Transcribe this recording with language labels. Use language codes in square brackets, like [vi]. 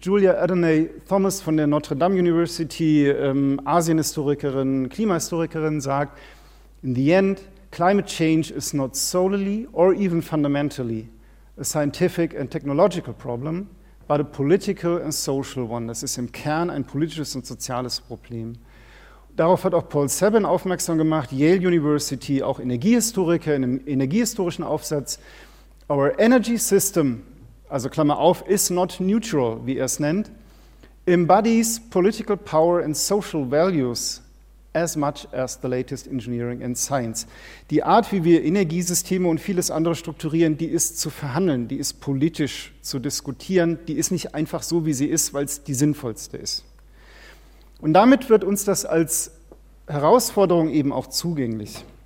[en] Julia Adoniram Thomas von der Notre Dame University, [de] Asienhistorikerin, Klimahistorikerin, sagt, [en] in the end, climate change is not solely or even fundamentally a scientific and technological problem, but a political and social one. [de] Das ist im Kern ein politisches und soziales Problem. Darauf hat auch Paul Sabin aufmerksam gemacht, Yale University, auch Energiehistoriker in einem energiehistorischen Aufsatz. [en] Our energy system, [de] also Klammer auf, [en] is not neutral, [de] wie er es nennt, [en] embodies political power and social values as much as the latest engineering and science. [de] Die Art, wie wir Energiesysteme und vieles andere strukturieren, die ist zu verhandeln, die ist politisch zu diskutieren, die ist nicht einfach so, wie sie ist, weil es die sinnvollste ist. Und damit wird uns das als Herausforderung eben auch zugänglich.